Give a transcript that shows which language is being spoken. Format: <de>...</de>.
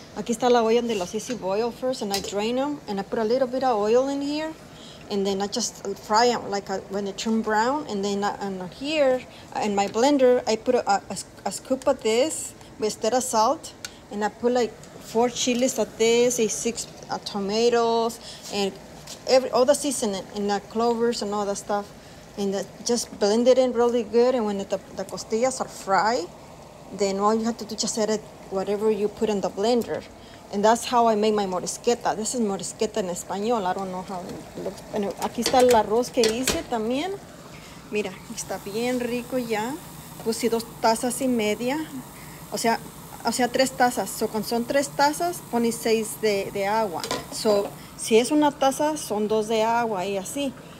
<es>Aquí está la olla donde las hice</es> <en>boil first. And I drain them. And I put a little bit of oil in here. And then I just fry them like when they turn brown. And then in my blender, I put a scoop of this instead of salt. And I put like 4 chiles of this and 6 tomatoes and all the seasoning and the clovers and all that stuff, and just blend it in really good. And when the costillas are fry, then all you have to do just add whatever you put in the blender, and that's how I make my morisqueta. This is morisqueta</en> <es>en español.</es> <en>I don't know how it looks.</en> <es>Bueno, aquí está el arroz que hice también. Mira, está bien rico ya. Puse 2 tazas y media, o sea 3 tazas. So cuando son 3 tazas, pones 6 de agua. So si es 1 taza, son 2 de agua y así.</es>